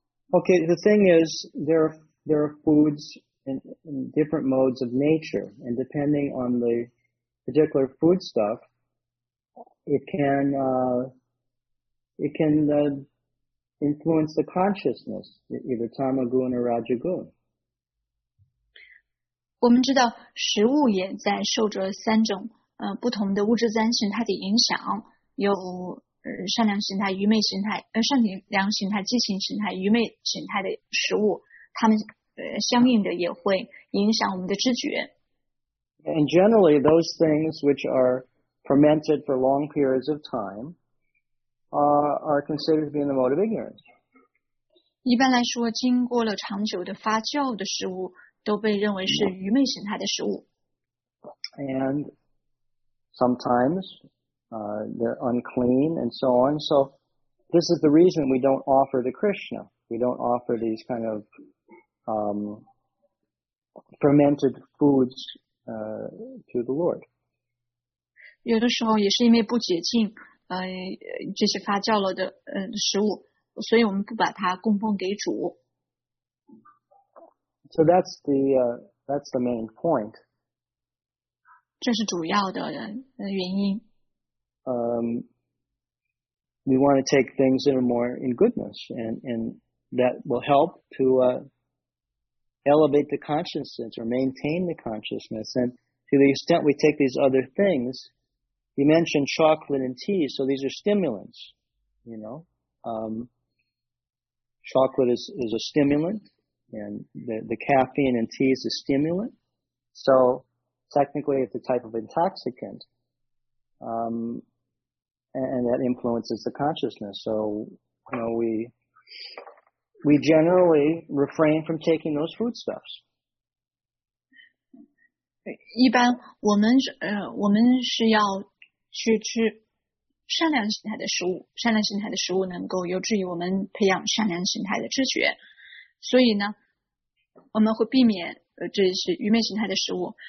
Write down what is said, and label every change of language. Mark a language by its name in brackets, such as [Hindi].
[English] Okay, the thing is, there are foods in different modes of nature, and depending on the particular foodstuff, it can influence the consciousness, either tamagun or rajagun. [Chinese] 我们知道食物也在受着三种不同的物质三形态的影响，有善良形态、愚昧形态、善良形态、激情形态、愚昧形态的食物，它们相应的也会影响我们的知觉。 [English] And generally, those things which are fermented for long periods of time. Are considered to be in the mode of ignorance. [Chinese] 一般来说，经过了长久的发酵的食物都被认为是愚昧形态的食物。 [English] And sometimes, they're unclean and so on. So this is the reason we don't offer to Krishna. We don't offer these kind of fermented foods to the Lord. [Chinese] 有的时候也是因为不洁净。这些发酵了的食物，所以我们不把它供奉给主。 [English] So that's the main point. [Chinese] 这是主要的原因。 [English] We want to take things that are more in goodness, and that will help to elevate the consciousness or maintain the consciousness. And to the extent we take these other things. You mentioned chocolate and tea, so these are stimulants, Chocolate is a stimulant, and the caffeine in tea is a stimulant. So technically it's a type of intoxicant, and that influences the consciousness. So, we generally refrain from taking those foodstuffs. [Chinese] 一般我们是要去吃善良形态的食物，善良形态的食物能够有助于我们培养善良形态的知觉，所以呢，我们会避免这是愚昧形态的食物。